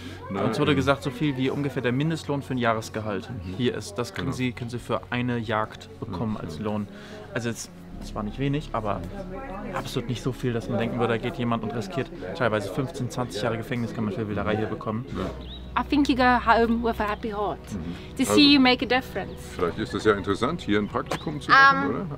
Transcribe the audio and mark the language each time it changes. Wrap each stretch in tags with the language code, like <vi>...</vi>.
<de>Uns wurde gesagt, so viel wie ungefähr der Mindestlohn für ein Jahresgehalt hier ist. Das kriegen Sie, können Sie für eine Jagd bekommen als Lohn. Also es war nicht wenig, aber absolut nicht so viel, dass man denken würde, da geht jemand und riskiert. Teilweise 15, 20 Jahre Gefängnis kann man für Wilderei hier bekommen.</de> <en>Ja. I think you go home with a happy heart. To see you make a difference.</en> <de>Vielleicht ist es ja interessant, hier ein Praktikum zu machen, oder?</de>